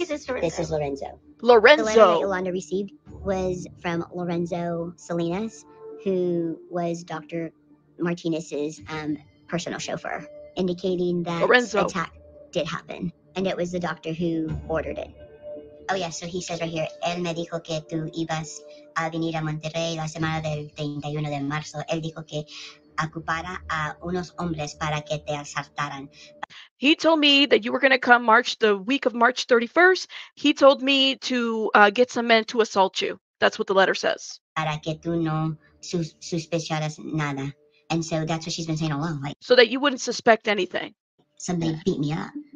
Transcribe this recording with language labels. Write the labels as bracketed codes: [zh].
[en] this is Lorenzo. Lorenzo. The letter that Yolanda received was from Lorenzo Salinas, who was Dr. Martinez's personal chauffeur, indicating that Lorenzo. Attack did happen. And it was the doctor who ordered it. Oh, yeah. So he says right here, [es] él me dijo que tú ibas a venir a Monterrey la semana del 31 de marzo. Él dijo que ocupara a unos hombres para que te asaltaran. [en] He told me that you were going to come the week of March 31st. He told me to get some men to assault you. That's what the letter says. [es] Para que tú no sospecharas nada. [en] And so that's what she's been saying all along. Like, so that you wouldn't suspect anything. Somebody beat me up.